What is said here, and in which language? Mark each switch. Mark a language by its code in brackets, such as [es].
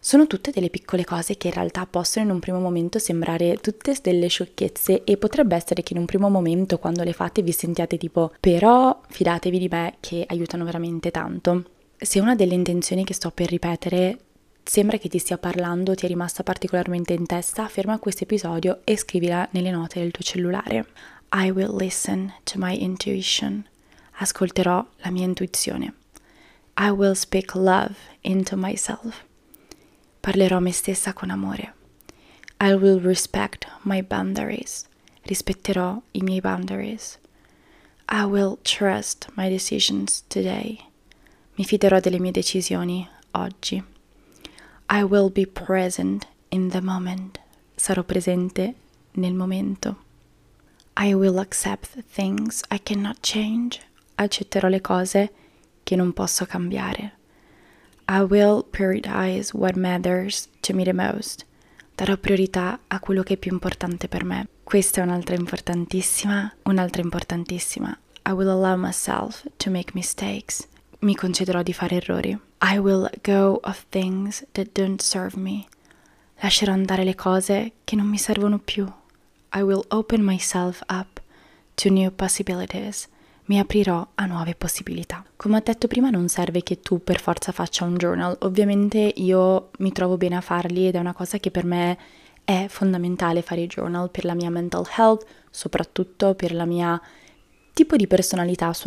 [it] Sono tutte delle piccole cose che in realtà possono in un primo momento sembrare tutte delle sciocchezze e potrebbe essere che in un primo momento, quando le fate, vi sentiate tipo, però fidatevi di me che aiutano veramente tanto. Se una delle intenzioni che sto per ripetere sembra che ti stia parlando, ti è rimasta particolarmente in testa, ferma questo episodio e scrivila nelle note del tuo cellulare. [en] I will listen to my intuition. [it] Ascolterò la mia intuizione. [en] I will speak love into myself. [it] Parlerò a me stessa con amore. [en] I will respect my boundaries. [it] Rispetterò i miei boundaries. [en] I will trust my decisions today. [it] Mi fiderò delle mie decisioni oggi. [en] I will be present in the moment. [it] Sarò presente nel momento. [en] I will accept things I cannot change. [it] Accetterò le cose che non posso cambiare. [en] I will prioritize what matters to me the most. [it] Darò priorità a quello che è più importante per me. Questa è un'altra importantissima, un'altra importantissima. [en] I will allow myself to make mistakes. [it] Mi concederò di fare errori. [en] I will let go of things that don't serve me. [it] Lascerò andare le cose che non mi servono più. [en] I will open myself up to new possibilities. [it] Mi aprirò a nuove possibilità. Come ho detto prima, non serve che tu per forza faccia un journal. Ovviamente io mi trovo bene a farli ed è una cosa che per me è fondamentale fare i journal per la mia mental health, soprattutto per la mia tipo di personalità.